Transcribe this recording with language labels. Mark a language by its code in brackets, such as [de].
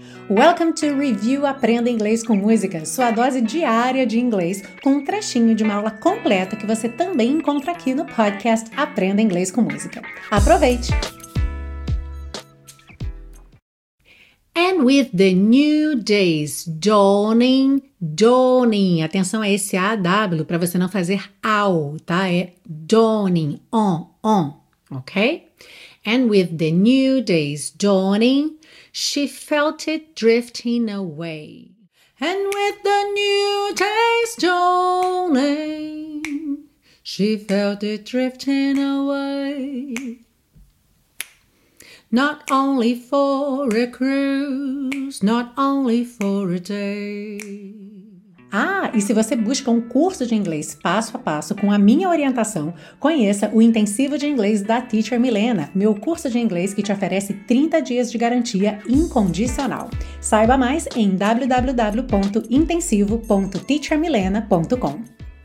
[en] Welcome to [pt] Review Aprenda Inglês com Música, sua dose diária de inglês, com um trechinho de uma aula completa que você também encontra aqui no podcast Aprenda Inglês com Música. Aproveite! [en] And with the new days dawning, dawning, [pt] atenção a esse AW para você não fazer ao, tá? É dawning, on, on, ok? [en] And with the new days dawning, she felt it drifting away. And with the new days dawning, she felt it drifting away. Not only for a cruise, not only for a day. [pt] Ah, e se você busca um curso de inglês passo a passo com a minha orientação, conheça o Intensivo de Inglês da Teacher Milena, meu curso de inglês que te oferece 30 dias de garantia incondicional. Saiba mais em www.intensivo.teachermilena.com.